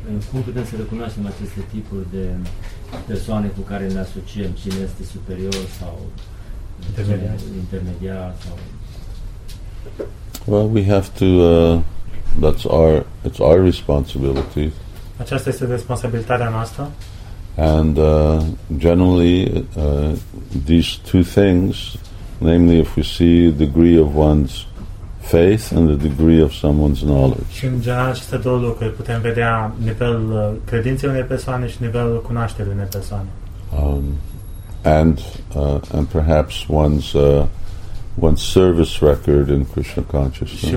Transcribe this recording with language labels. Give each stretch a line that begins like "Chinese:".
Romanian: Cum putem să recunoaștem aceste tipuri de persoane cu care ne asociem? Cine este superior sau intermediar? Sau...
English: Well, we have to... that's our, it's our responsibility.
Romanian: Aceasta este responsabilitatea noastră.
English: And generally, these two things, namely if we see degree of one's faith and the degree of someone's knowledge.
Romanian: Și în general, aceste două lucruri putem vedea nivelul credinței unei persoane și nivelul cunoașterii unei persoane.
English: And perhaps one's service record in Krishna consciousness.